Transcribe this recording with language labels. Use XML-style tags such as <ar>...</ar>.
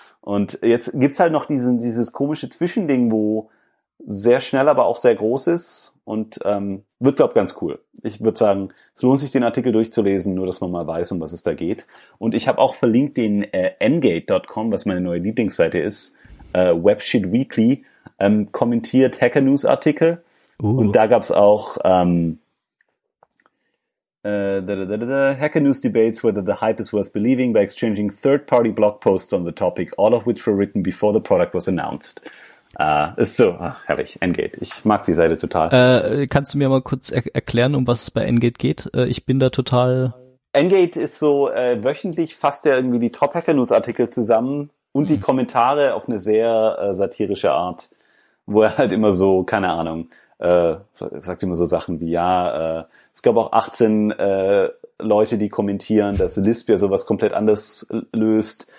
<de>Und jetzt gibt's halt noch dieses komische Zwischending, wo sehr schnell, aber auch sehr groß ist und wird, glaube ich, ganz cool. Ich würde sagen, es lohnt sich, den Artikel durchzulesen, nur dass man mal weiß, um was es da geht. Und ich habe auch verlinkt den Engate.com, was meine neue Lieblingsseite ist, Webshit Weekly, kommentiert Hacker News Artikel. Und da gab es auch</de> <en>Hacker News debates whether the hype is worth believing by exchanging third-party blog posts on the topic, all of which were written before the product was announced.</en> <de>Ist so, herrlich, Engate. Ich mag die Seite total. Kannst du mir mal kurz erklären, um was es bei Engate geht? Ich bin da total... Engate ist so, wöchentlich fasst er irgendwie die Top-Hacker-News-Artikel zusammen und die Kommentare auf eine sehr satirische Art, wo er halt immer so, keine Ahnung, sagt immer so Sachen wie, ja, es gab auch 18 Leute, die kommentieren, dass Lisp ja sowas komplett anders löst.</de>